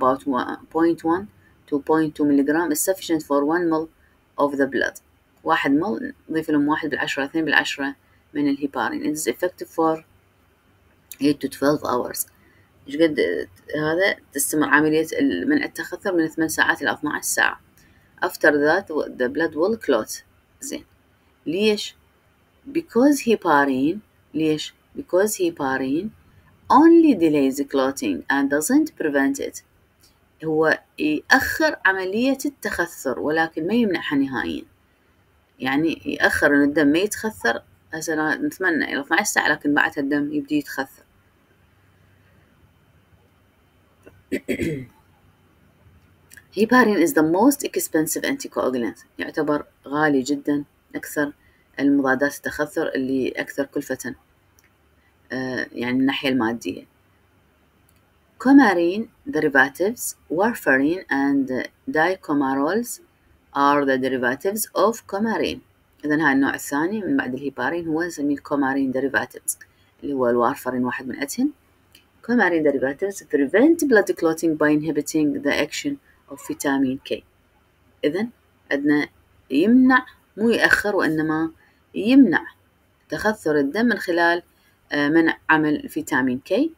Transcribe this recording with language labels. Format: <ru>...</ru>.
<en>About 0.1 to 0.2 milligram is sufficient for 1 ml of the blood.</en> <ar>1 ml, نضيف لهم 1 × 10 × 2 من الهيبارين.</ar> <en>It is effective for 8 to 12 hours.</en> <ar>إيش قد هذا؟ تستمر عملية منع التخثر من 8 ساعات إلى 12 ساعة.</ar> <en>After that, the blood will clot.</en> <ar>زين. ليش؟</ar> <en>Because heparin.</en> <ar>ليش؟</ar> <en>Because heparin only delays clotting and doesn't prevent it.</en> <ar>هو يأخر عملية التخثر ولكن ما يمنعها نهائيا. يعني يأخر ان الدم ما يتخثر, هسه نتمنى الى 12 ساعة لكن بعدها الدم يبدي يتخثر.</ar> <en>Heparin is the most expensive anticoagulant.</en> <ar>يعتبر غالي جدا, اكثر المضادات التخثر اللي اكثر كلفة, يعني من الناحية المادية.</ar> <en>Coumarin derivatives, warfarin and dicomarols are the derivatives of coumarin.</en> <ar>إذن هاي النوع الثاني من بعد الهيبارين هو نسميه coumarin derivatives, اللي هو الوارفارين واحد من أتهم.</ar> <en>Coumarin derivatives prevent blood clotting by inhibiting the action of vitamin K.</en> <ar>إذن عندنا يمنع, مو يأخر وإنما يمنع تخثر الدم من خلال منع عمل فيتامين K.</ar>